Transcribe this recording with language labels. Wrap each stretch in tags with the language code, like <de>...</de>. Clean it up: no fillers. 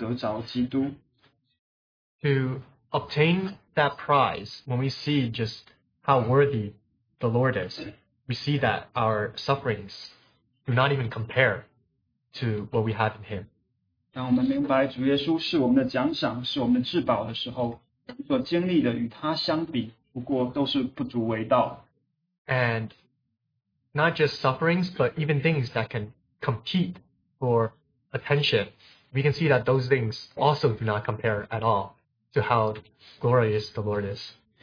<zh>第七、第八节，只是我先前以为与我有益的，我现在因基督都当作有损的，不但如此，我也将万事当作有损的，因我以认识我主耶稣基督，我主基督耶稣为至宝，我为他已经丢弃万事，看作粪土，为要得着基督。</zh> <en>To obtain that prize, when we see just how worthy the Lord is, we see that our sufferings do not even compare to what we have in Him.</en> <zh>当我们明白主耶稣是我们的奖赏，是我们的至宝的时候，所经历的与他相比，不过都是不足为道。</zh> <en>And not just sufferings, but even things that can compete for attention, we can see that those things also do not compare at all to how glorious the Lord is.</en>